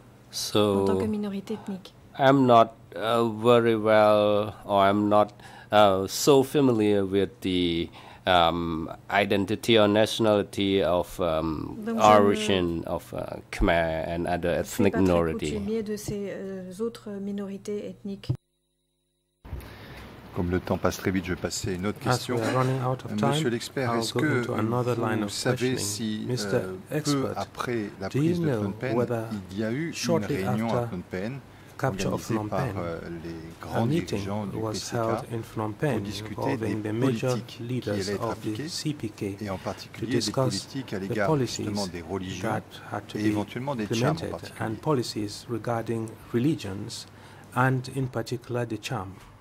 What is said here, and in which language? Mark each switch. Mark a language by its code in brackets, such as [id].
[en] So I'm not very well, or I'm not so familiar with the identity or nationality of origin of Khmer and other ethnic minorities. [fr] De ces autres minorités ethniques. Comme le temps passe très vite, je vais passer à une autre question. Monsieur l'expert, est-ce que vous savez si, peu après la prise de Phnom Penh, il y a eu une réunion à Phnom Penh, organisée par les grands dirigeants du PCK, pour discuter des politiques qui allaient être appliquées, et en particulier des politiques à l'égard justement des religions, et éventuellement des charmes en particulier. [en] And policies regarding religions, and in particular the charm.